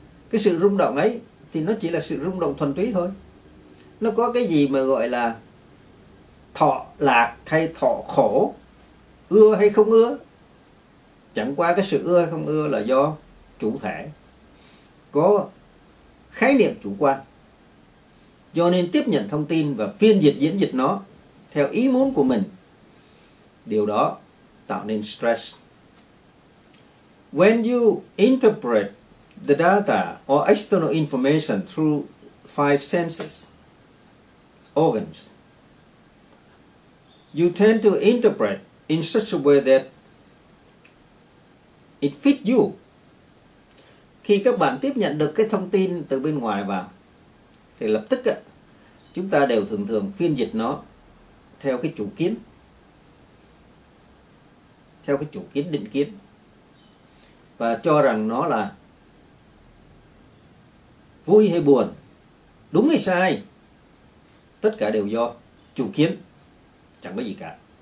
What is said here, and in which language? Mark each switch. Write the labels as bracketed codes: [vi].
[vi] Cái sự rung động ấy thì nó chỉ là sự rung động thuần túy thôi. Nó có cái gì mà gọi là thọ lạc hay thọ khổ, ưa hay không ưa. Chẳng qua cái sự ưa hay không ưa là do chủ thể có khái niệm chủ quan, cho nên tiếp nhận thông tin và phiên dịch diễn dịch nó theo ý muốn của mình. Điều đó tạo nên stress. [en] When you interpret the data or external information through five senses, organs, you tend to interpret in such a way that it fits you. [vi] Khi các bạn tiếp nhận được cái thông tin từ bên ngoài vào, thì lập tức chúng ta đều thường thường phiên dịch nó theo cái chủ kiến, theo cái chủ kiến định kiến, và cho rằng nó là vui hay buồn, đúng hay sai, tất cả đều do chủ kiến, chẳng có gì cả.